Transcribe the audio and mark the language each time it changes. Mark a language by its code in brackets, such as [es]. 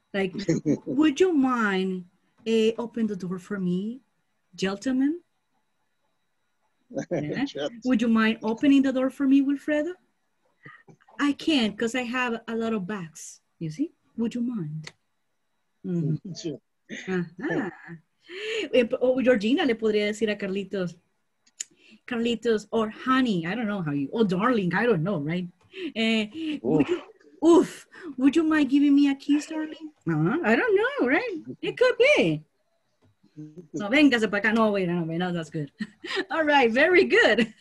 [en] Like, would you mind open the door for me, gentlemen? Yeah. Would you mind opening the door for me, Wilfredo? I can't because I have a lot of bags. You see? Would you mind? Mm-hmm. [es] Uh-huh. Oh, Georgina le podría decir a Carlitos. [en] Carlitos, or honey, I don't know how you, or darling, I don't know, right? Would you mind giving me a kiss, darling? I don't know, right? It could be. [es] No, vengase para acá. [en] No, wait, no, wait, no, that's good. All right, very good.